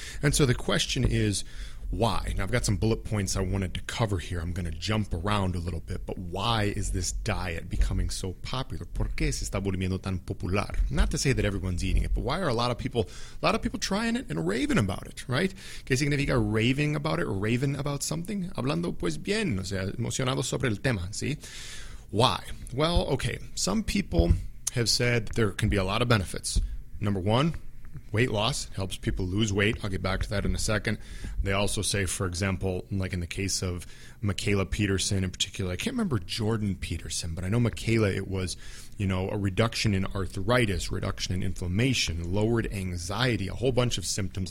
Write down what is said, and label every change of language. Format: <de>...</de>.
<en>And so the question is, why? Now, I've got some bullet points I wanted to cover here. I'm going to jump around a little bit. But why is this diet becoming so popular?</en> <es>¿Por qué se está volviendo tan popular?</es> <en>Not to say that everyone's eating it, but why are a lot of people trying it and raving about it, right?</en> <es>¿Qué significa</es> <en>raving about it or raving about something?</en> <es>Hablando pues bien, o sea, emocionado sobre el tema, ¿sí?</es> <en>Why? Well, okay, some people have said there can be a lot of benefits. Number one, weight loss helps people lose weight. I'll get back to that in a second. They also say, for example, like in the case of Michaela Peterson in particular, I can't remember Jordan Peterson, but I know Michaela, it was, you know, a reduction in arthritis, reduction in inflammation, lowered anxiety, a whole bunch of symptoms.</en>